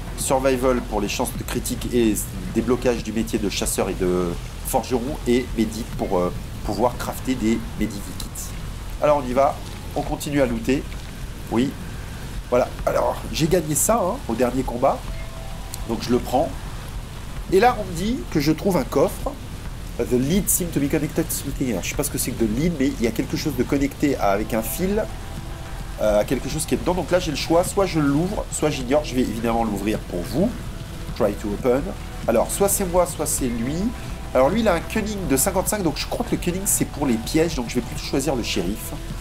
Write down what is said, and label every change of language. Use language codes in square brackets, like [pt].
[fr] Survival pour les chances de critique et déblocage du métier de chasseur et de forgeron, et Medic pour pouvoir crafter des Medikits. Alors on y va, on continue à looter. Oui, voilà. Alors j'ai gagné ça, hein, au dernier combat, donc je le prends. Et là on me dit que je trouve un coffre. [en] The lead seem to be connected to something. [fr] Je sais pas ce que c'est que the lead, mais il y a quelque chose de connecté avec un fil. Quelque chose qui est dedans, donc là j'ai le choix, soit je l'ouvre, soit j'ignore, je vais évidemment l'ouvrir pour vous. [en] Try to open. [fr] Alors, soit c'est moi, soit c'est lui. Alors lui, il a un cunning de 55, donc je crois que le cunning c'est pour les pièges, donc je vais plutôt choisir le shérif.